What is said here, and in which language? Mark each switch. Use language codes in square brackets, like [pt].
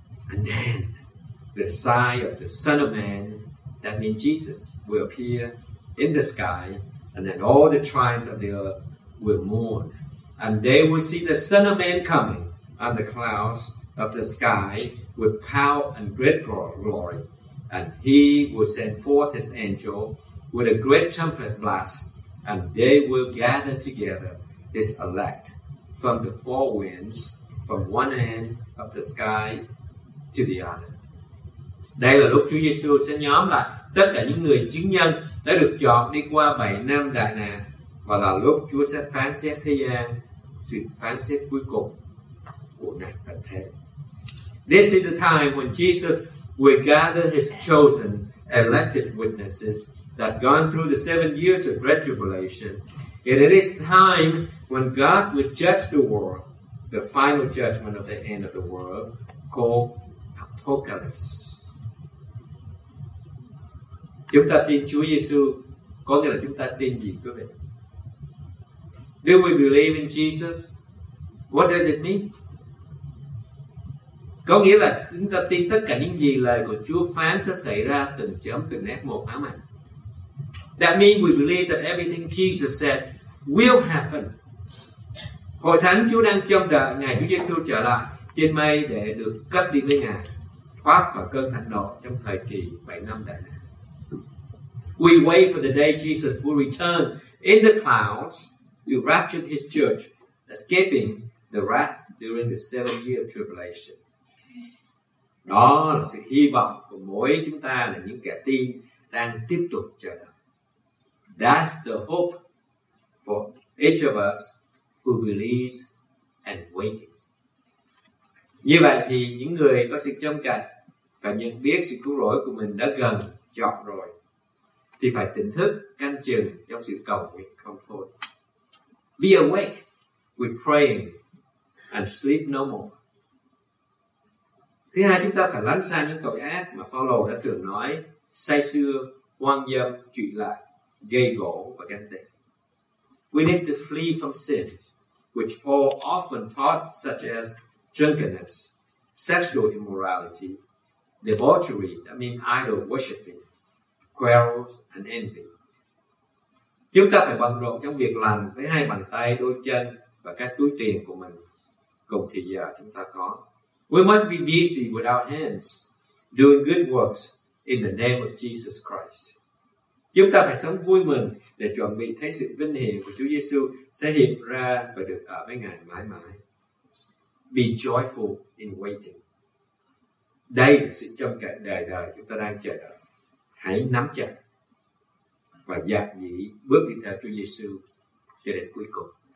[en] And then the sign of the Son of Man, that means Jesus, will appear in the sky, and then all the tribes of the earth will mourn, and they will see the Son of Man coming on the clouds of the sky with power and great glory. And he will send forth his angel with a great trumpet blast, and they will gather together his elect from the four winds, from one end of the sky to the other. [vi] Đây là lúc Chúa Giêsu sẽ nhóm lại tất cả những người chứng nhân đã được chọn đi qua 7 năm đại nạn, và là lúc Chúa sẽ phán xét thế gian, sự phán xét cuối cùng của Ngài tận thế. [en] This is the time when Jesus will gather his chosen, elected witnesses that gone through the 7 years of great tribulation. And it is time when God will judge the world, the final judgment of the end of the world, called Apocalypse. [vi] Chúng ta tin Chúa Giêsu có nghĩa là chúng ta tin gì, quý vị? [en] Do we believe in Jesus? What does it mean? [vi] Có nghĩa là chúng ta tin tất cả những gì lời của Chúa phán sẽ xảy ra từng chấm từng nét một phán mạnh. [en] That means we believe that everything Jesus said will happen. [vi] Hội thánh Chúa đang trông đợi ngày Chúa Giêsu trở lại trên mây để được cất đi với Ngài, thoát khỏi cơn thánh nộ trong thời kỳ 7 năm đại nạn. [en] We wait for the day Jesus will return in the clouds to rapture His church, escaping the wrath during the 7-year tribulation. [vi] Đó là sự hy vọng của mỗi chúng ta là những kẻ tin đang tiếp tục chờ đợi. [en] That's the hope for each of us who believes and waiting. [vi] Như vậy thì những người có sự trông cậy và nhận biết sự cứu rỗi của mình đã gần chọn rồi, thì phải tỉnh thức canh chừng trong sự cầu nguyện không thôi. [en] Be awake with praying and sleep no more. [vi] Thứ hai, chúng ta phải lánh xa những tội ác mà Phao-lô đã từng nói: say sưa, hoang dâm, chuyện lạ, gây gỗ và ganh tị. [en] We need to flee from sins which Paul often taught, such as drunkenness, sexual immorality, debauchery, that means idol worshiping, quarrels and envy. [vi] Chúng ta phải bận rộn trong việc làm với hai bàn tay, đôi chân và các túi tiền của mình cùng thì giờ chúng ta có. [en] We must be busy with our hands doing good works in the name of Jesus Christ. [vi] Chúng ta phải sống vui mừng để chuẩn bị thấy sự vinh hiển của Chúa Giêsu sẽ hiện ra và được ở với Ngài mãi mãi. [en] Be joyful in waiting. [vi] Đây là sự trông cậy đời đời chúng ta đang chờ đợi. Hãy nắm chặt và dạt dĩ bước đi theo Chúa Giêsu cho đến cuối cùng.